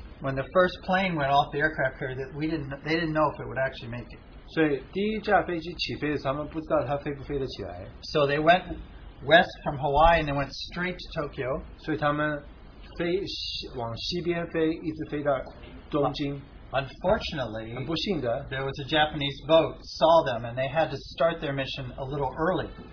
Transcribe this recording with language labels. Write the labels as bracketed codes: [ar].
[en] When the first plane went off the aircraft carrier, they didn't know if it would actually make it. [zh] 所以第一架飞机起飞的时候，他们不知道它飞不飞得起来. [en] So they went west from Hawaii and they went straight to Tokyo. [zh] 所以他们飞往西边飞，一直飞到东京。 [en] Unfortunately, [zh] 很不幸的, [en] there was a Japanese boat saw them, and they had to start their mission a little early.